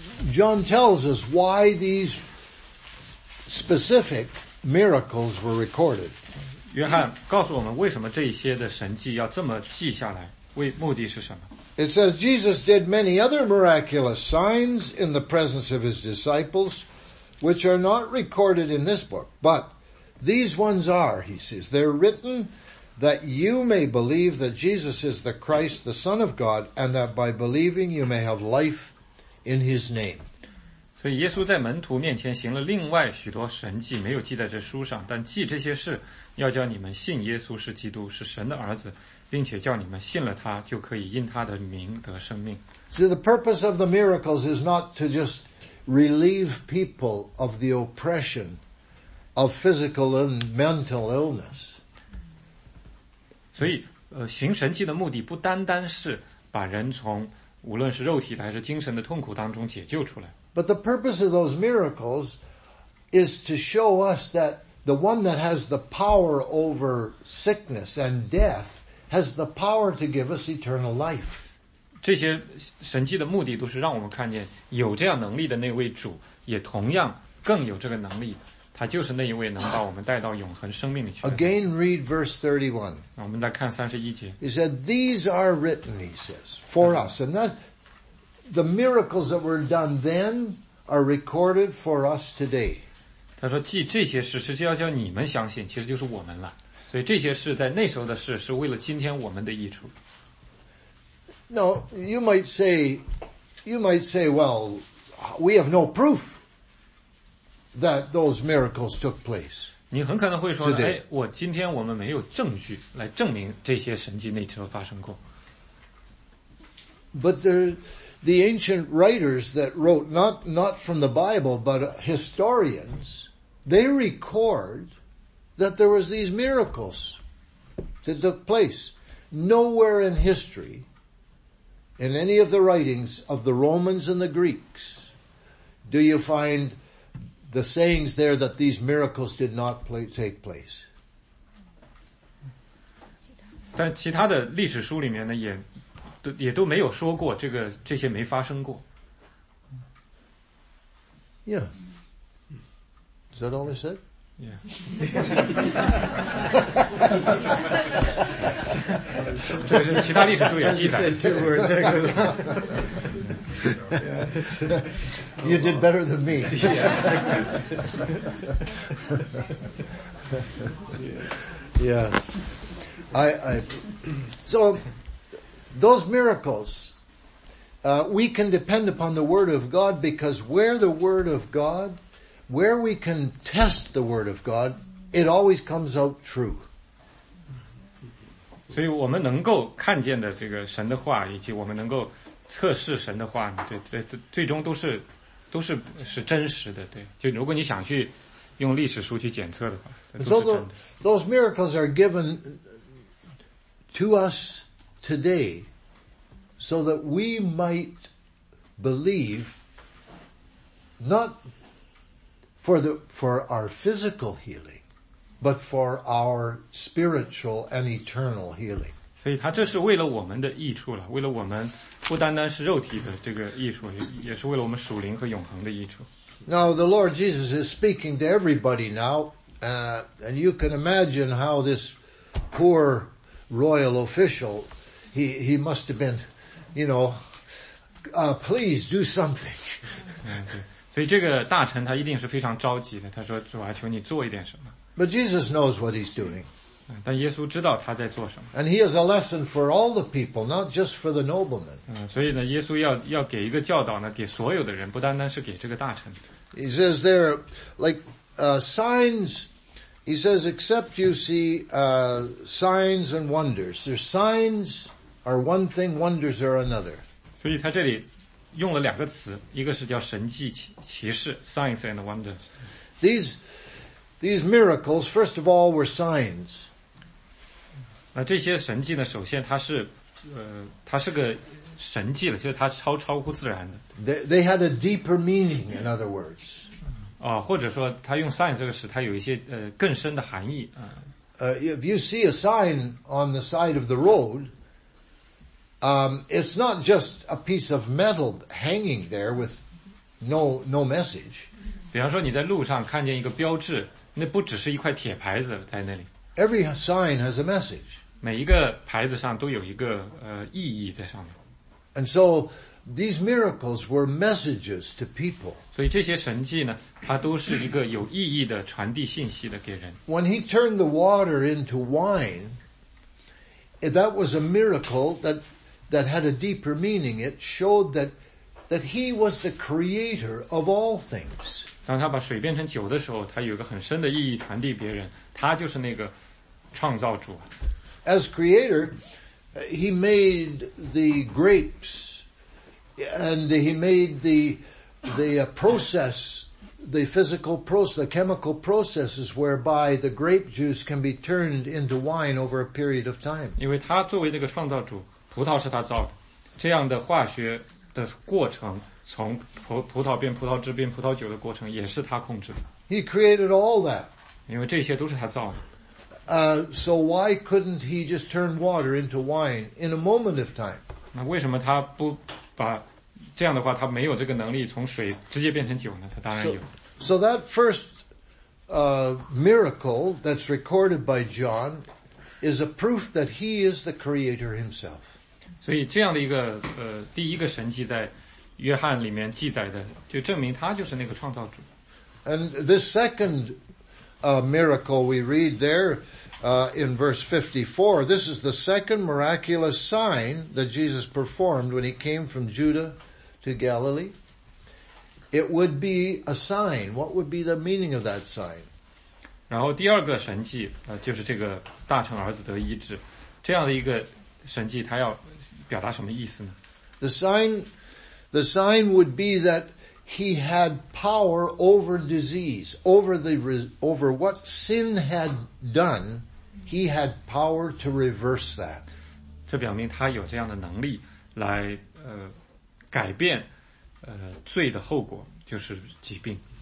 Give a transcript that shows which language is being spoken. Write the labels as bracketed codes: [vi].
[en] John tells us why these specific miracles were recorded. [zh] 约翰告诉我们为什么这些的神迹要这么记下来，为目的是什么。 [en] It says Jesus did many other miraculous signs in the presence of his disciples, which are not recorded in this book, but these ones are, he says, they're written that you may believe that Jesus is the Christ, the Son of God, and that by believing you may have life in his name. [zh] 所以耶稣在门徒面前行了另外许多神迹，没有记在这书上，但记这些事，要叫你们信耶稣是基督，是神的儿子，并且叫你们信了他，就可以因他的名得生命。 [en] So the purpose of the miracles is not to just relieve people of the oppression of physical and mental illness. [zh] 所以行神迹的目的不单单是把人从无论是肉体的还是精神的痛苦当中解救出来。 [en] But the purpose of those miracles is to show us that the one that has the power over sickness and death has the power to give us eternal life. [zh] 这些神迹的目的都是让我们看见有这样能力的那位主也同样更有这个能力，他就是那一位能把我们带到永恒生命里去。 [en] Again, read verse 31. [zh] 我们来看31节。 [en] He said, these are written, he says, for us. And that, the miracles that were done then are recorded for us today. [zh] 他说记这些事是要叫你们相信，其实就是我们了。所以这些事在那时候的事是为了今天我们的益处。 [en] No, you might say, well, we have no proof that those miracles took place. [zh] 你很可能会说，哎，我今天我们没有证据来证明这些神迹那时候发生过。 [en] But the ancient writers that wrote not from the Bible but historians, they record that there was these miracles that took place. Nowhere in history, in any of the writings of the Romans and the Greeks, do you find the sayings there that these miracles did not take place. [zh] 但其他的历史书里面呢，也都没有说过这些没发生过。 [en] Yeah. Is that all I said? Yeah. [zh] 就是其他历史书也记载。 [en] You did better than me. Yes. So, those miracles, we can depend upon the Word of God because where the Word of God, where we can test the Word of God, it always comes out true. [zh] 所以我们能够看见的这个神的话以及我们能够测试神的话，最终都是真实的。对，就如果你想去用历史书去检测的话，都是真的。 [en] Those miracles are given to us today so that we might believe not for our physical healing but for our spiritual and eternal healing. [zh] 所以他这是为了我们的益处了，为了我们不单单是肉体的这个益处，也是为了我们属灵和永恒的益处。 [en] Now the Lord Jesus is speaking to everybody now, and you can imagine how this poor royal official, he must have been, you know, please do something. [zh] 所以这个大臣他一定是非常着急的，他说主啊求你做一点什么。 [en] But Jesus knows what he's doing. [zh] 但耶稣知道他在做什么。 [en] And he has a lesson for all the people, not just for the noblemen. [zh] 所以呢耶稣要给一个教导呢给所有的人，不单单是给这个大臣。 [en] He says there, like, signs He says, except you see signs and wonders. There's signs are one thing, wonders are another. [zh] 所以他这里用了两个词，一个是叫神迹奇事 [en] signs and wonders. These miracles, first of all, were signs. [zh] 那这些神迹呢？首先，它是它是个神迹了，就是它超乎自然的。 [en] They had a deeper meaning, in other words. [zh] 啊，或者说，他用 sign 这个词，它有一些更深的含义啊。 [en] If you see a sign on the side of the road. It's not just a piece of metal hanging there with no message. [zh] 比方说你在路上看见一个标志，那不只是一块铁牌子在那里。 [en] Every sign has a message. [zh] 每一个牌子上都有一个意义在上面。 [en] And so these miracles were messages to people. [zh] 所以这些神迹呢，它都是一个有意义的传递信息的给人。 [en] When he turned the water into wine,That was a miracle that had a deeper meaning. It showed that he was the creator of all things. [zh] 当他把水变成酒的时候，他有一个很深的意义传递别人。他就是那个创造主。 [en] As creator, he made the grapes, and he made the process, the physical process, the chemical processes whereby the grape juice can be turned into wine over a period of time. [zh] 因为他作为那个创造主，葡萄是他造的，这样的化学的过程，从葡萄变葡萄汁变葡萄酒的过程也是他控制的。 [en] He created all that. [zh] 因为这些都是他造的。 [en] So why couldn't he just turn water into wine in a moment of time? [zh] 那为什么他不把这样的话，他没有这个能力从水直接变成酒呢？他当然有。 [en] So that first miracle that's recorded by John is a proof that he is the creator himself. [zh] 所以这样的一个第一个神迹在约翰里面记载的，就证明他就是那个创造主。 [en] And this second miracle we read there in verse 54, this is the second miraculous sign that Jesus performed when he came from Judah. To Galilee, it would be a sign. What would be the meaning of that sign? [zh] 然后第二个神迹，就是这个大成儿子得医治，这样的一个神迹，他要表达什么意思呢？ [en] The sign would be that he had power over disease, over what sin had done. He had power to reverse that. [zh] 这表明他有这样的能力来改变罪的后果就是疾病。